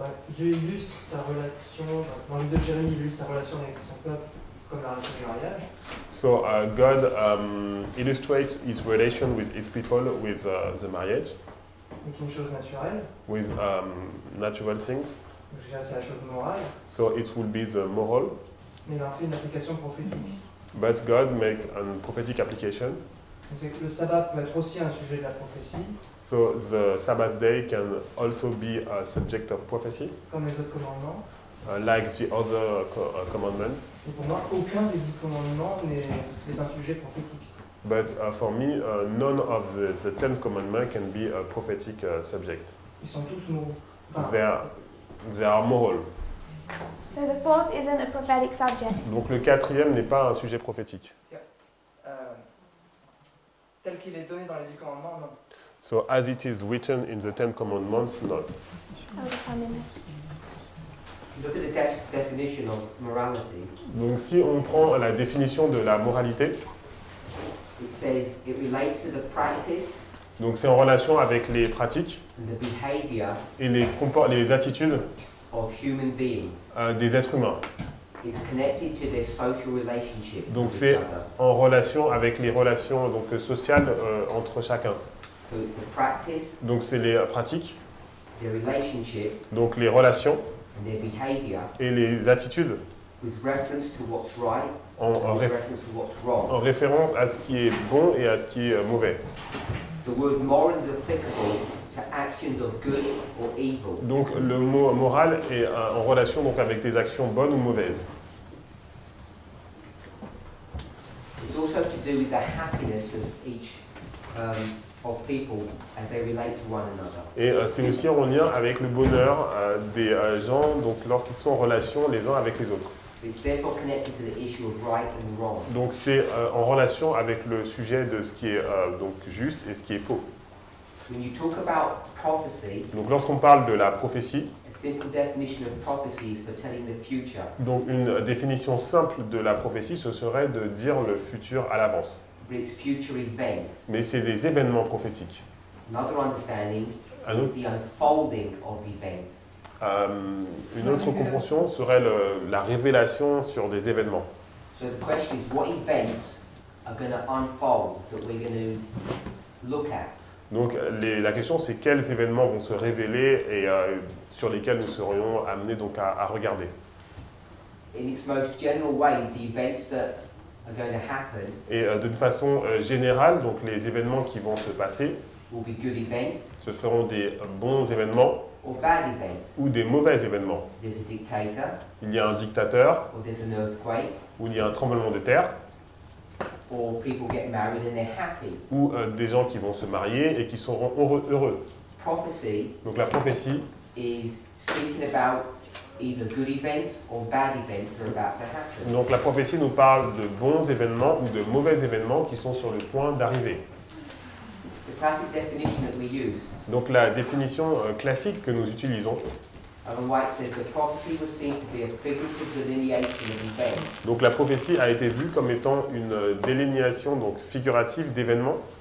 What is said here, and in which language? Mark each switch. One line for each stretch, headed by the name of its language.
French: Dieu illustre sa relation, dans le livre de Jérémie, il illustre sa relation avec son peuple comme la relation du mariage.
English: So God illustrates his relation with his people with the marriage.
French: Donc une chose naturelle.
English: With natural things.
French: Donc je dirais c'est la chose morale.
English: So it would be the moral.
French: Mais il a fait une application prophétique.
English: But God make a prophetic application.
French: Donc le sabbat peut être aussi un sujet de la prophétie.
English: So the Sabbath day can also be a subject of prophecy.
French: Comme les autres commandements.
English: Like the other commandments.
French: Et pour moi, aucun des 10 commandements c'est un sujet prophétique.
English: But for me, none of the 10 commandments can be a prophetic subject.
French: Ils sont tous moraux.
English: They are moral. So the fourth isn't a prophetic subject.
French: Donc le quatrième n'est pas un sujet prophétique. Tel qu'il est donné dans les 10 commandements, non.
English: So as it is written in the Ten Commandments, not. Look at the definition of morality.
French: Donc si on prend la définition de la moralité,
English: it says it relates to the practice.
French: Donc c'est en relation avec les pratiques
English: and the behavior
French: et les attitudes
English: of human beings.
French: Des êtres humains.
English: It's connected to their social relationships.
French: Donc c'est en relation avec les relations donc sociales entre chacun.
English: So it's the practice,
French: donc c'est les pratiques,
English: the relationship,
French: donc les relations
English: and their behavior,
French: et les attitudes
English: with reference to what's right, reference to what's wrong.
French: En référence à ce qui est bon et à ce qui est mauvais.
English: The word moral is applicable to actions of good or evil.
French: Donc le mot moral est en relation donc avec des actions bonnes ou mauvaises.
English: It's also to do with the happiness of each of people as they relate to one another.
French: Et c'est aussi en lien avec le bonheur des gens, donc lorsqu'ils sont en relation les uns avec les autres.
English: It's therefore connected to the issue of right and wrong.
French: Donc c'est en relation avec le sujet de ce qui est donc juste et ce qui est faux.
English: When you talk about prophecy,
French: donc lorsqu'on parle de la prophétie,
English: a simple definition of prophecy is for telling the future.
French: Donc une définition simple de la prophétie, ce serait de dire le futur à l'avance.
English: But it's future events.
French: Mais c'est des événements prophétiques.
English: Another understanding is the unfolding of events.
French: Une autre compréhension serait la révélation sur des événements.
English: So the question is, what events are going to unfold that we're going to look at?
French: Donc la question, c'est quels événements vont se révéler et sur lesquels nous serions amenés donc à regarder.
English: In its most general way, the events that are going to happen.
French: Et d'une façon générale, donc les événements qui vont se passer.
English: Will be good events.
French: Ce seront des bons événements.
English: Or bad events.
French: Ou des mauvais événements.
English: There's a dictator.
French: Il y a un dictateur.
English: Or there's an earthquake.
French: Ou il y a un tremblement de terre.
English: Or people get married and they're happy.
French: Ou des gens qui vont se marier et qui seront heureux.
English: Prophecy.
French: Donc la prophétie.
English: Is speaking about either good events or bad events that are about to happen.
French: Donc la prophétie nous parle de bons événements ou de mauvais événements qui sont sur le point d'arriver.
English: The classic definition that we use.
French: Donc la définition classique que nous utilisons.
English: Ellen White says the prophecy was seen to be a figurative delineation of events.
French: Donc la prophétie a été vue comme étant une délineation donc figurative d'événements.